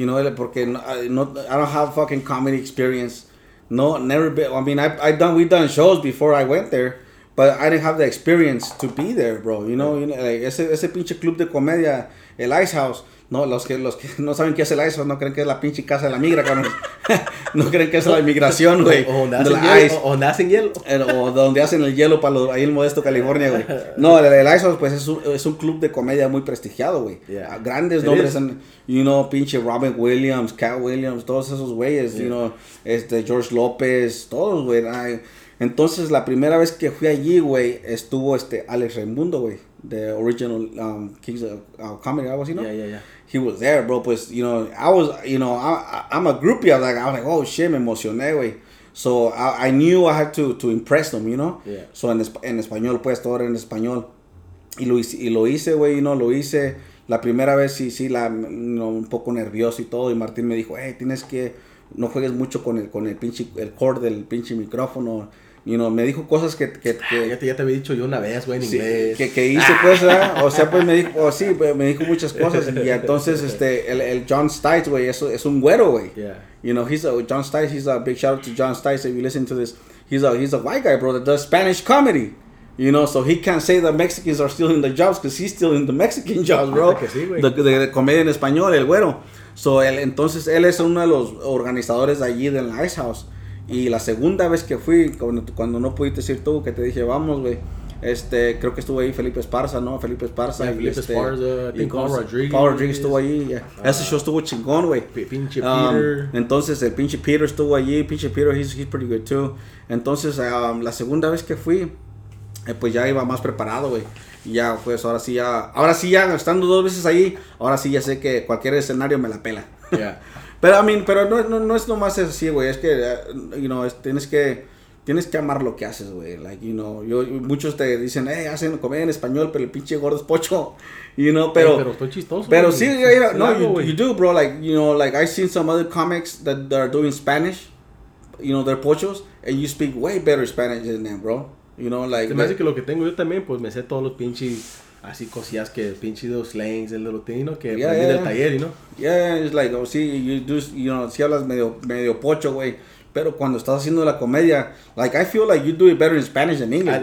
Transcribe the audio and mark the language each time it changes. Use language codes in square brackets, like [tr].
[en] You know, porque I don't have fucking comedy experience. No, never been, I mean, we've done shows before I went there. But I didn't have the experience to be there, bro. [es] You know, like, ese pinche club de comedia, el Ice House. No, los que no saben qué es el Ice House, no creen que es la pinche casa de la migra, cabrón. No creen que es la inmigración, güey. Donde hacen el hielo para ahí en Modesto, California, güey. No, el Ice House, pues, es un club de comedia muy prestigiado, güey. [en] Yeah. [es] Grandes it nombres, en, you know, pinche Robin Williams, Cat Williams, todos esos güeyes, yeah. You know, George López, todos, güey. Entonces, la primera vez que fui allí, güey, estuvo Alex Raimundo, güey, the original Kings of Comedy, algo así, ¿no? [en] Yeah. He was there, bro, pues, you know, I'm a groupie, I was like, oh, shit, [es] me emocioné, [en] güey. So, I knew I had to impress them, you know? Yeah. [es] So, en español, pues, todo era en español. Y lo hice, güey, you know, lo hice. La primera vez, un poco nervioso y todo, y Martín me dijo, hey, tienes que... No juegues mucho con el pinche el cord del pinche micrófono. You know, me dijo cosas que ya te había dicho yo una vez, güey, en sí, inglés. Que hice cosas, ¿eh? O sea, pues me dijo, oh, sí, pues, me dijo muchas cosas. Y entonces el John Stites, güey, eso es un güero, güey. [en] Yeah. You know, John Stites, he's a big shout out to John Stites if you listen to this. He's a white guy, bro, that does Spanish comedy. You know, so he can't say that Mexicans are stealing the jobs because he's stealing the Mexican jobs, bro. [es] Que sí, güey. The comedia en español, el güero. So, entonces, él es uno de los organizadores de allí, del Ice House. Y la segunda vez que fui, cuando no pudiste decir tú, que te dije, vamos, güey. Creo que estuvo ahí Felipe Esparza, ¿no? Felipe Esparza. [en] Yeah, Felipe Esparza, I think Paul Rodriguez. [es] Paul Rodriguez estuvo allí, yeah. Ese show estuvo chingón, güey. Pinche Peter. Entonces, el pinche Peter estuvo allí. Pinche Peter, [en] he's pretty good, too. [es] Entonces, la segunda vez que fui, pues ya iba más preparado, güey. Ya, pues, ahora sí ya, estando dos veces ahí, ahora sí ya sé que cualquier escenario me la pela. [en] Yeah. [es] Pero no es nomás así, güey, es que, you know, tienes que amar lo que haces, güey. Like, you know, muchos te dicen, hacen comedia en español, pero el pinche gordo es pocho, you know, pero... Hey, pero estoy chistoso, pero güey. Pero sí, [en] you know, you do, bro, like, you know, like, I've seen some other comics that are doing Spanish, you know, they're pochos, and you speak way better Spanish than them, bro. You know, like, [es] se me hace que lo que tengo yo también, pues me sé todos los pinches así cosillas que el pinche de los slangs, el de los tino, que viene del taller, ¿no? [en] Yeah, it's like, oh, [es] sí, si hablas medio pocho, güey, pero cuando estás haciendo la comedia, [en] like, I feel like you do it better in Spanish than English.